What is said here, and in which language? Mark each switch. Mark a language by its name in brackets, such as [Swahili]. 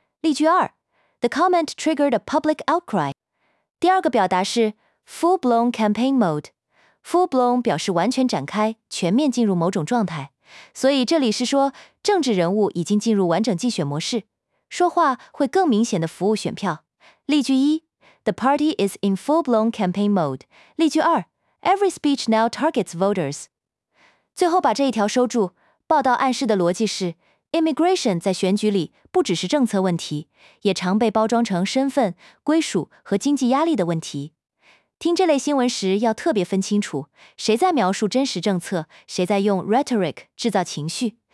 [Chinese] 例句二 [English] ，The comment triggered a public outcry。 [Chinese] 第二个表达是 [English] full blown campaign mode。 [Chinese] full blown 表示完全展开，全面进入某种状态，所以这里是说政治人物已经进入完整竞选模式，说话会更明显的服务选票。例句一。 [English] The party is in full-blown campaign mode. [Chinese] 例句二 [English] ,Every speech now targets voters. [Chinese] 最后把这一条收住，报道暗示的逻辑是 ,immigration 在选举里不只是政策问题，也常被包装成身份、归属和经济压力的问题。听这类新闻时要特别分清楚，谁在描述真实政策，谁在用 rhetoric 制造情绪。